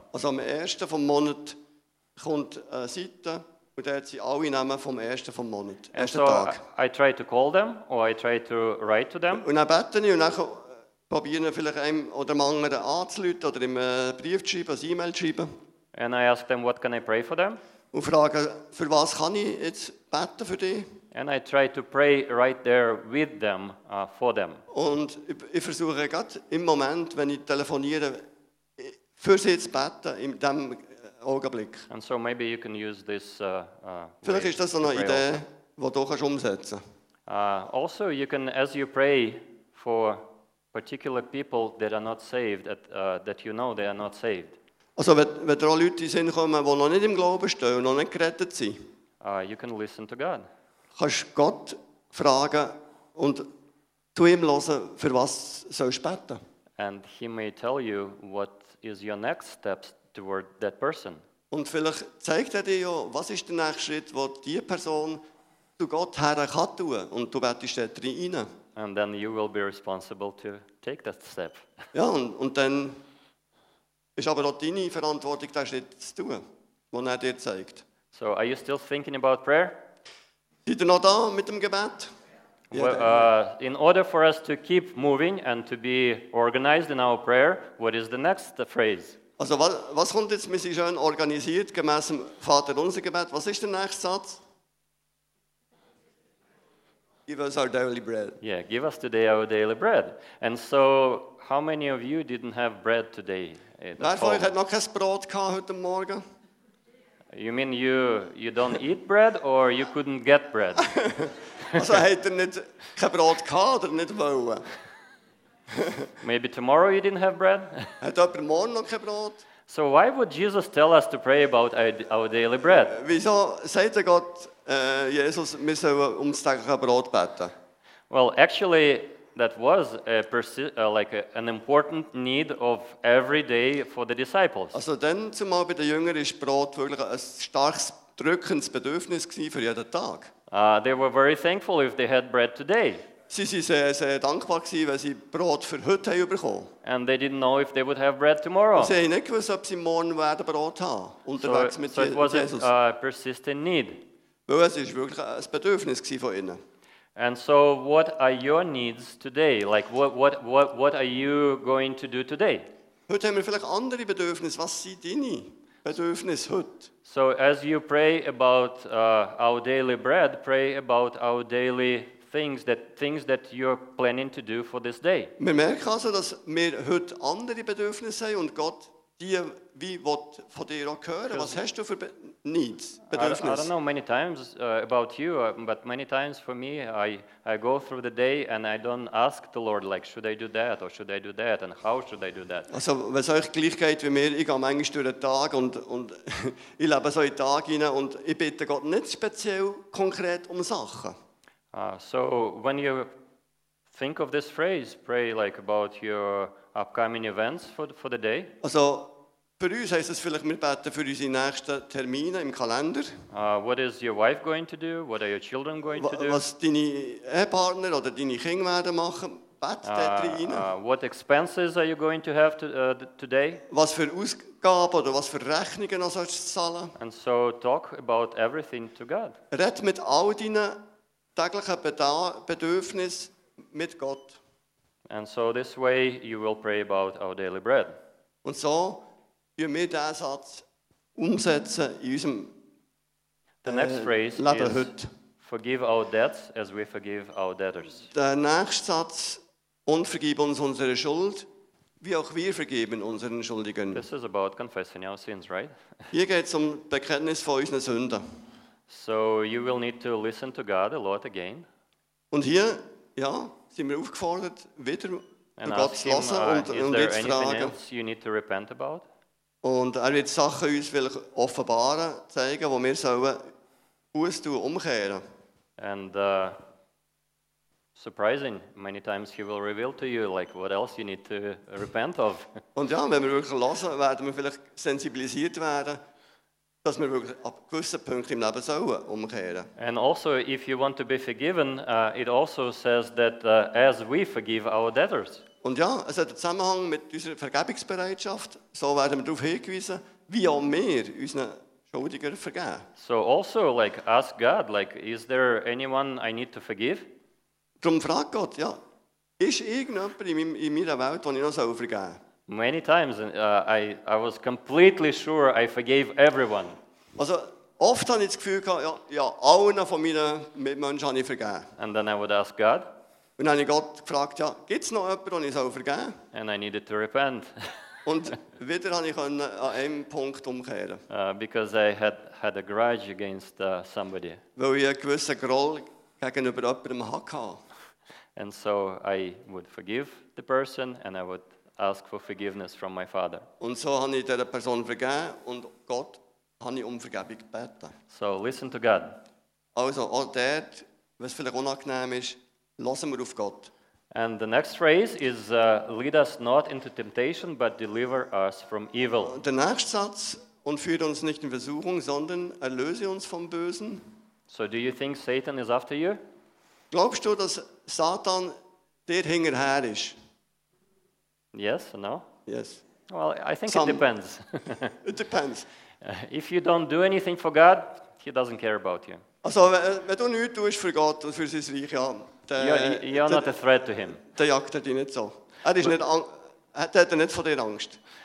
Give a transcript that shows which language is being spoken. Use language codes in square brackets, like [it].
[de] Also am ersten vom Monat kommt eine Seite und da hat sie alle Namen vom ersten vom Monat, ersten so Tag. [en] I try to call them or I try to write to them. [de] Und dann bete ich und dann probiere ich vielleicht einem oder manchmal anzuläuten oder im Brief zu schreiben, eine E-Mail zu schreiben. [en] And I ask them, what can I pray for them? [de] Und frage, für was kann ich jetzt beten für dich? [en] And I try to pray right there with them, for them. [de] Und ich versuche gerade im Moment, wenn ich telefoniere, für sie zu beten, in dem Augenblick. [en] And so maybe you can use this [de] vielleicht ist das so eine Idee, also, die du kannst umsetzen. [en] Also, you can, as you pray for particular people that are not saved, that you know they are not saved. [de] Also, wenn da Leute in den Sinn kommen, die noch nicht im Glauben stehen und noch nicht gerettet sind, [en] you can listen to God. [de] Kannst Gott fragen und zu ihm hören, für was sollst du beten. [en] And he may tell you what is your next step toward that person. [de] Und vielleicht zeigt er dir ja, was ist der nächste Schritt, wo die Person zu Gott her kann tun und du betest da drin rein. [en] And then you will be responsible to take that step. [de] Ja, und dann ist aber auch deine Verantwortung, den Schritt zu tun, den er dir zeigt. [en] So, are you still thinking about prayer? [de] Seid ihr noch da mit dem Gebet? [en] Well, in order for us to keep moving and to be organized in our prayer, what is the next phrase? [de] Also, was kommt jetzt, wir sind schön organisiert, gemäß dem Vater unser Gebet. Was ist der nächste Satz? [en] Give us our daily bread. Yeah, give us today our daily bread. And so, how many of you didn't have bread today? [de] Wer von euch hat noch kein Brot gehabt heute Morgen? [en] You mean you don't eat bread or you couldn't get bread? [de] Also hat er nicht kein Brot gehabt oder nicht wollen? [en] Maybe tomorrow you didn't have bread? [de] Hat jemand morgen noch kein Brot? [en] So why would Jesus tell us to pray about our daily bread? [de] Wieso sagt der Gott, Jesus, wir sollen ums tägliche Brot beten? [en] Well, actually, that was an important need of every day for the disciples. [de] Also dann zumal bei den Jüngern ist Brot wirklich ein starkes, drückendes Bedürfnis gewesen für jeden Tag. [en] They were very thankful if they had bread today. [de] Sie waren sehr, sehr dankbar gewesen, weil sie Brot für heute haben bekommen. [en] And they didn't know if they would have bread tomorrow. [de] Sie haben nicht gewusst, ob sie morgen werden Brot haben, unterwegs mit Jesus. [en] So it was a persistent need. [de] Weil es ist wirklich ein Bedürfnis gewesen von ihnen. [en] And so, what are your needs today? Like, what are you going to do today? [de] Heute haben wir vielleicht andere Bedürfnisse. Was sind deine Bedürfnisse heute? [en] So, as you pray about our daily bread, pray about our daily things that you're planning to do for this day. [de] Wir merken also, dass wir heute andere Bedürfnisse haben und Gott dir wie wird von dir auch hören. Was hast du für Needs, Bedürfnisse? [en] I don't know many times about you, but many times for me, I go through the day and I don't ask the Lord, like, should I do that or should I do that and how should I do that? [de] Also, wenn es euch gleich geht wie mir, ich gehe manchmal durch den Tag und ich lebe so einen Tag rein und ich bitte Gott nicht speziell konkret um Sachen. [en] So, when you think of this phrase, pray like about your upcoming events for the day. [de] Also, für uns heisst es vielleicht, wir beten für unsere nächsten Termine im Kalender. [en] What is your wife going to do? What are your children going to do? [de] Was deine Ehepartner oder deine Kinder werden machen, bete dort rein. [en] What expenses are you going to have today? [de] Was für Ausgaben oder was für Rechnungen noch sollst du zahlen? [en] And so talk about everything to God. [de] Red mit all deinen täglichen Bedürfnissen mit Gott. [en] And so this way you will pray about our daily bread. [de] Und so wir müssen diesen Satz umsetzen in unserem [en] The next phrase [de] Leben [en] is, [de] heute. [en] Forgive our debts as we forgive our debtors. [de] Der nächste Satz, und vergib uns unsere Schuld, wie auch wir vergeben unseren Schuldigen. [en] This is about confessing our sins, right? [de] Hier geht es um das Bekenntnis von unseren Sünden. [en] So you will need to listen to God a lot again. [de] Und hier, ja, sind wir aufgefordert, wieder [en] and [de] zu Gott zu hören und wieder zu fragen. [en] You need to repent about? [de] Und er wird Sachen uns vielleicht offenbaren, zeigen, wo wir sollen austun, umkehren. [en] And surprising, many times he will reveal to you, like, what else you need to repent of. [de] Und ja, wenn wir wirklich hören, werden wir vielleicht sensibilisiert werden, dass wir wirklich ab gewissen Punkten im Leben sollen umkehren. [en] And also, if you want to be forgiven, it also says that as we forgive our debtors. [de] Und ja, es hat einen Zusammenhang mit unserer Vergebungsbereitschaft. So werden wir darauf hingewiesen, wie auch wir unseren Schuldigen vergeben. [en] So also, like, ask God, like, is there anyone I need to forgive? [de] Darum fragt Gott, ja, ist irgendjemand in meiner Welt, den ich noch vergeben soll? [en] Many times I was completely sure I forgave everyone. [de] Also oft habe ich das Gefühl gehabt, ja, allen von meinen Mitmenschen habe ich vergeben. [en] And then I would ask God. [de] Und dann habe ich Gott gefragt, ja, gibt's noch jemanden, den ich vergeben soll? [en] And I needed to repent. [de] Und wieder habe ich an einem Punkt umkehren. [en] Because I had a grudge against somebody. [de] Weil ich einen gewissen Groll gegenüber jemandem hatte. [en] And so I would forgive the person and I would ask for forgiveness from my father. [de] Und so habe ich dieser Person vergeben und Gott habe ich um Vergebung gebeten. [en] So listen to God. [de] Also auch dort, was vielleicht unangenehm ist, hören wir auf Gott. [en] And the next phrase is lead us not into temptation, but deliver us from evil. [de] Der nächste Satz, und führt uns nicht in Versuchung, sondern erlöse uns vom Bösen. [en] So do you think Satan is after you? [de] Glaubst du, dass Satan dir hinterher ist? [en] Yes, no? Yes. Well, I think it depends. It depends. If you don't do anything for God, he doesn't care about you. [de] Also, wenn du nichts tust für Gott und für sein Reich, ja, [en] you're not a threat to him. [de] Der jagt dich nicht so. Er ist nicht, hat er nicht von dir Angst.